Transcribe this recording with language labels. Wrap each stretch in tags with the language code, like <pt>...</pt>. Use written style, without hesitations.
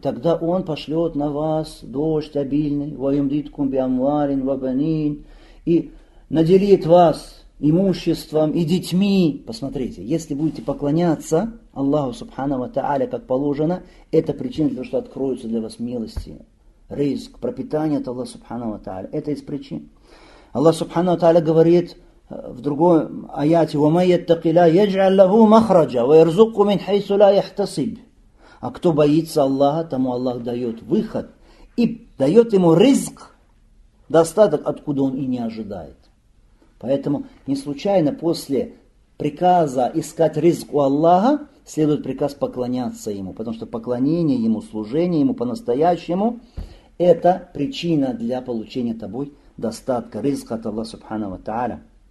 <ru>И тогда Он пошлет на вас дождь обильный,</ru> <ar>ваюмдиткум биамварин, вабанин,</ar> <ru>и наделит вас имуществом и детьми. Посмотрите, если будете поклоняться Аллаху Субхану ва Тааля, как положено, это причина для того, что откроются для вас милости, риск, пропитание от Аллаха Субхану ва Тааля. Это из причин. Аллах Субхану ва Тааля говорит в другом аяте:</ru> <ar>وَمَن يَتَّقِ اللَّهَ يَجْعَل لَّهُ مَخْرَجًا وَيَرْزُقْهُ مِنْ حَيْثُ لَا يَحْتَسِبُ.</ar> <ru>А кто боится Аллаха, тому Аллах дает выход и дает ему риск, достаток, откуда он и не ожидает. Поэтому не случайно после приказа искать риск у Аллаха следует приказ поклоняться ему, потому что поклонение ему, служение ему по-настоящему – это причина для получения тобой достатка, риска от Аллаха Субхана ва Тааля.</ru>